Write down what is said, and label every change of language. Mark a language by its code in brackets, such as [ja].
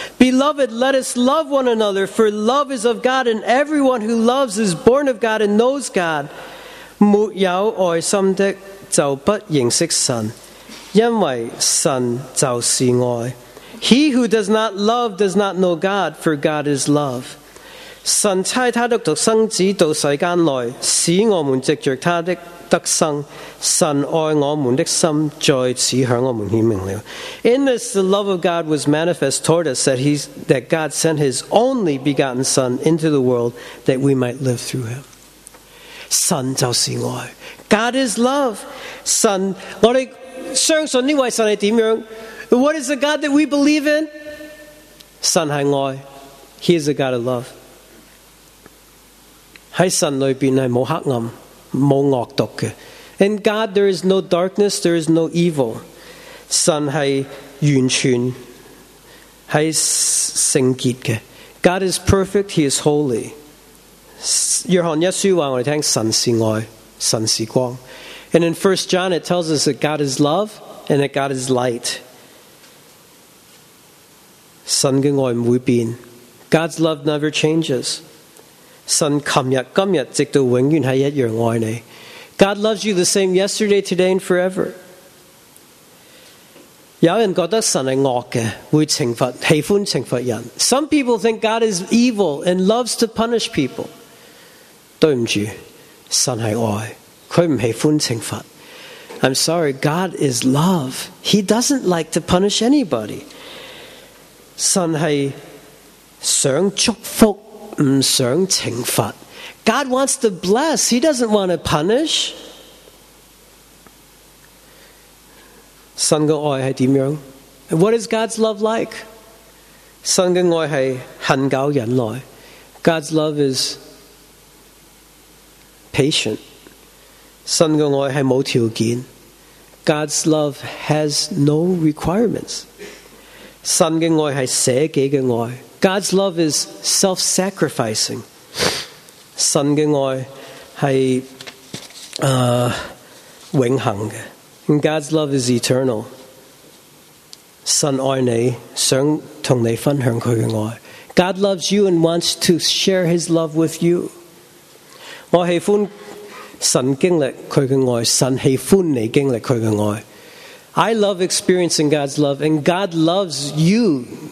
[en] Beloved, let us love one another, for love is of God, and everyone who loves is born of God and knows God. [zh] 没有爱心的，就不认识神，因为神就是爱。 [en] He who does not love does not know God, for God is love. [zh] 神差他的独生子到世间来，使我们藉着他的得生。神爱我们的心在此向我们显明了。 [en] In this, the love of God was manifest toward us that God sent His only begotten Son into the world that we might live through Him. [zh] 神就是爱。 [en] God is love. [zh] 神，我们相信这位神是怎样？ [en] What is the God that we believe in? [zh] 神是爱， [en] He is a God of love. [zh] 在神里面是没有黑暗，没有恶毒的。 [en] In God, there is no darkness, there is no evil. [zh] 神是完全是圣洁的。 [en] God is perfect, He is holy. [zh] 约翰一书话我们听神是爱，神是光。 [en] And in 1 John, it tells us that God is love and that God is light. [zh] 神的爱不会变。 [en] God's love never changes. [zh] 神昨日今日直到永远是一样爱你。 [en] God loves you the same yesterday, today, and forever. [zh] 有人觉得神是恶的，会惩罚，喜欢惩罚人。 [en] Some people think God is evil and loves to punish people. [zh] 对不住，神是爱，他不喜欢惩罚。 [en] I'm sorry, God is love. He doesn't like to punish anybody. [zh] 神是想祝福，不想惩罚。 [en] God wants to bless. He doesn't want to punish. [zh] 神的爱是怎样？ [en] What is God's love like? [zh] 神的爱是恒久忍耐。 [en] God's love is patient. [zh] 神的爱是无条件。 [en] God's love has no requirements. [zh] 神的爱是舍己的爱。 [en] God's love is self-sacrificing. [zh] 神的爱是永恒的。 [en] And God's love is eternal. [zh] 神爱你，想同你分享他的爱。 [en] God loves you and wants to share his love with you. [zh] 我喜欢神经历他的爱，神喜欢你经历他的爱。 [en] I love experiencing God's love and God loves you.